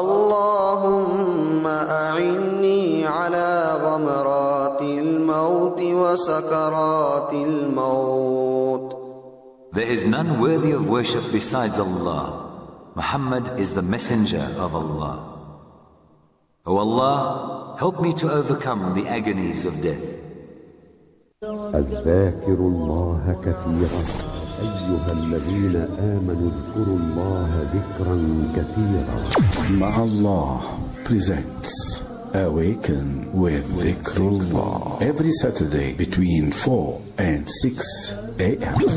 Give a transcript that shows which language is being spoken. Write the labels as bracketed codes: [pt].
[ar] اللهم أعني على غمرات الموت وسكرات الموت. [en] There is none worthy of worship besides Allah. Muhammad is the messenger of Allah. O Allah, help me to overcome the agonies of death. [ar] أذكر الله كثيرا. أيها الذين آمنوا اذكروا الله ذكرا كثيرا. [en] مع الله presents Awaken with Dhikrullah every Saturday between 4 and 6 a.m.